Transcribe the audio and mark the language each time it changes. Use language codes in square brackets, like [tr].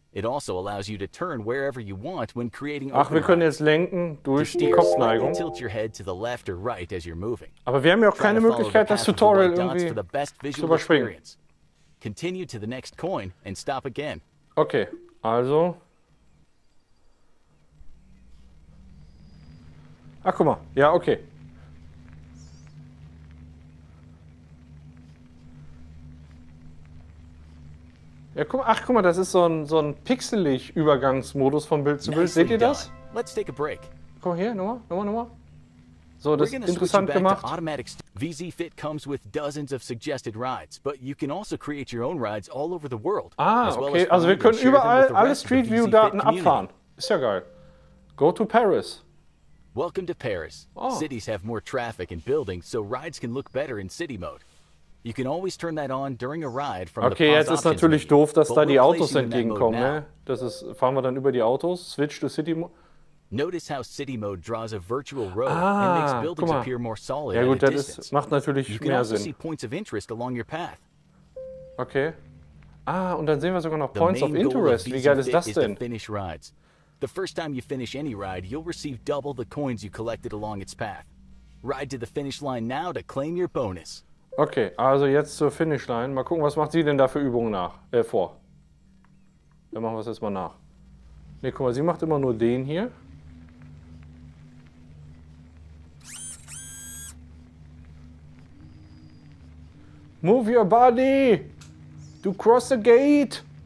[en] It also allows you to turn wherever you want when creating [de] Ach, wir können jetzt lenken durch die Kopfneigung. [en] Tilt your head to the left or right as you're moving. [de] Aber wir haben ja auch keine Möglichkeit, das Tutorial irgendwie zu überspringen. [en] Continue to the next coin and stop again. [de] Okay, also. Ach, guck mal. Ja, okay. Ja, guck mal, ach, guck mal, das ist so ein pixelig Übergangsmodus von Bild zu Bild. Seht ihr das? [en] Let's take a break. [de] Komm her, nochmal. So, das ist interessant gemacht. [en] VZ Fit comes with dozens of suggested rides, but you can also create your own rides all over the world. [de] Ah, okay. Also wir können überall alle Street View Daten abfahren. Ist ja geil. [en] Go to Paris. Welcome to Paris. Oh. Cities have more traffic and buildings, so rides can look better in city mode. You can always turn that on during a ride from [de] okay, jetzt ist natürlich doof, dass da die Autos entgegenkommen, ne? Das ist, fahren wir dann über die Autos, [en] switch to city mode. Notice how City Mode draws a virtual road and makes buildings appear more solid. [de] Ja gut, das ist, macht natürlich [en] you can [de] mehr also Sinn. [en] See points of interest along your path. Okay. [de] Ah, und dann sehen wir sogar noch Points of Interest. Wie geil ist das denn? [en] The finish rides. The first time you finish any ride, you'll receive double the coins you collected along its path. Ride to the finish line now to claim your bonus. [de] Okay, also jetzt zur Finish Line. Mal gucken, was macht sie denn da für Übungen nach vor? Dann machen wir es jetzt mal nach. Ne, guck mal, sie macht immer nur den hier. [en] Move your body! Du cross the gate!